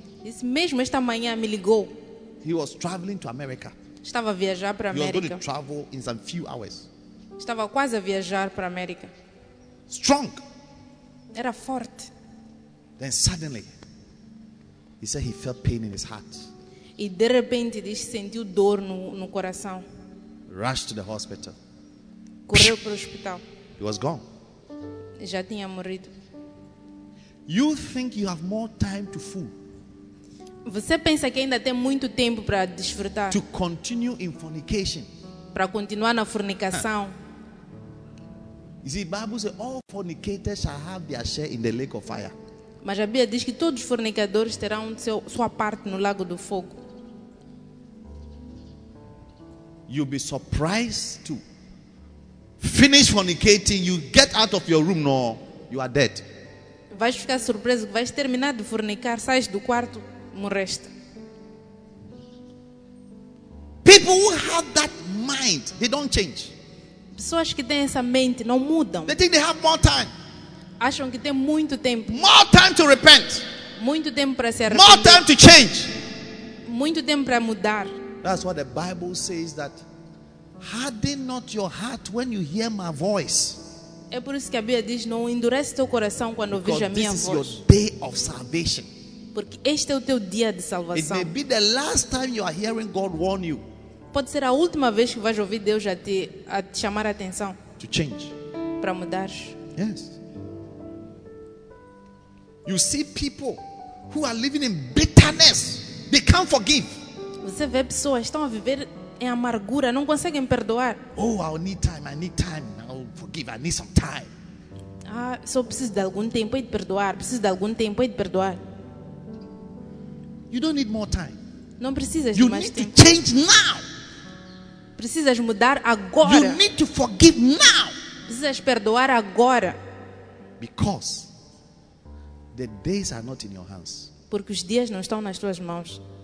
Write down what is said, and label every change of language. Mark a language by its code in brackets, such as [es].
[pt] Disse, mesmo esta manhã me ligou. [en] He was traveling to America. [pt] Estava a viajar para a América. [en] He was going to travel in some few hours. [pt] Estava quase a viajar para a América. [en] Strong. [pt] Era forte. [en] Then suddenly, he said he felt pain in his heart. [pt] E de repente disse sentiu dor no coração. [en] Rushed to the hospital. [pt] Correu para o hospital. [en] He was gone. [pt] Já tinha morrido. [en] You think you have more time to fool? [pt] Você pensa que ainda tem muito tempo para desfrutar? [en] To continue in fornication. [pt] Para continuar na fornicação. [en] You see, Bible says all fornicators shall have their share in the lake of fire. [pt] Mas a Bíblia diz que todos os fornicadores terão sua parte no lago do fogo. [en] You'll be surprised to finish fornicating, you get out of your room, no, you are dead. [pt] Vais ficar surpreso que vais terminar de fornicar, sais do quarto, morreste. [en] People who have that mind, they don't change. [pt] Pessoas que têm essa mente não mudam. [en] They think they have more time. [pt] Acham que tem muito tempo. [en] More time to repent. [pt] Muito tempo para se arrepender. [en] More time to change. [pt] Muito tempo para mudar. [en] That's what the Bible says, that harden not your heart when you hear my voice. [pt] É por isso que a Bíblia diz, não endurece teu coração quando ouvir a minha voz. [en] Because this is your day of salvation. [pt] Porque este é o teu dia de salvação. [en] It may be the last time you are hearing God warn you. [pt] Pode ser a última vez que vais ouvir Deus a te chamar a atenção. [en] To change. [pt] Para mudar. [en] Yes. You see people who are living in bitterness, they can't forgive. [pt] Você vê pessoas que estão a viver em amargura, não conseguem perdoar. [en] Oh, I need time. I'll forgive. I need some time. [pt] Ah, só preciso de algum tempo e de perdoar. Preciso de algum tempo e de perdoar. [en] You don't need more time. [pt] Não precisas [en] you [pt] de mais [en] need [pt] tempo. [en] To change now. [pt] Precisas mudar agora. [en] You need to forgive now. [pt] Precisas perdoar agora. [en] Because the days are not in your hands. [pt] Porque os dias não estão nas tuas mãos.